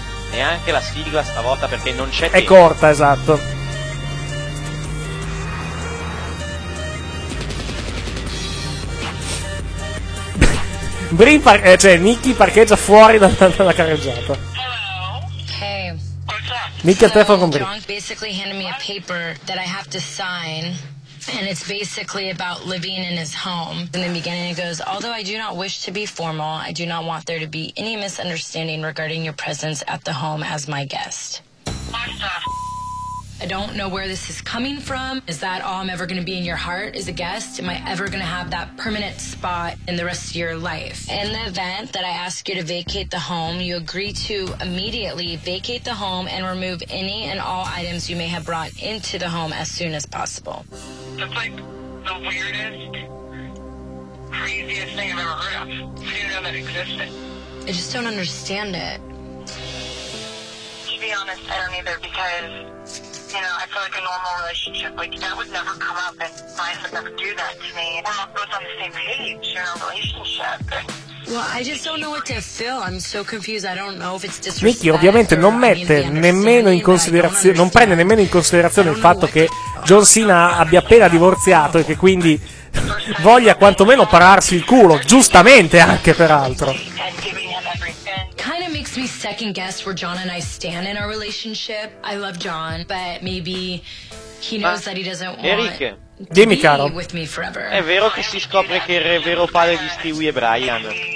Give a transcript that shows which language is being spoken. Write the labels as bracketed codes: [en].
[it] Neanche la sigla stavolta, perché non c'è è tempo. Corta, esatto. Brin par- cioè Nikki parcheggia fuori dalla carreggiata. Nikki al telefono con Brin. [en] Basically handed me a paper that I have to sign. And it's basically about living in his home. In the beginning it goes, although I do not wish to be formal, I do not want there to be any misunderstanding regarding your presence at the home as my guest. I don't know where this is coming from. Is that all I'm ever going to be in your heart as a guest? Am I ever going to have that permanent spot in the rest of your life? In the event that I ask you to vacate the home, you agree to immediately vacate the home and remove any and all items you may have brought into the home as soon as possible. That's like the weirdest, craziest thing I've ever heard of. I didn't know that existed. I just don't understand it. To be honest, I don't either, because... You know, I feel like a normal relationship, like, that would never come up, and Maya would never do that to me. We're not both on the same page, you're in a relationship. Well, I just don't know what to feel. I'm so confused. I don't know if it's disrespect. [it] Nikki ovviamente non mette nemmeno in considerazione, non prende nemmeno in considerazione il fatto che John Cena abbia appena divorziato e che quindi voglia quantomeno pararsi il culo, giustamente anche peraltro. [en] Kind of makes me second guess where John and I stand in our relationship. I love John, but maybe he knows that he doesn't want. [it] Dimmi, caro. È vero che si scopre che il vero padre di Stewie è Brian?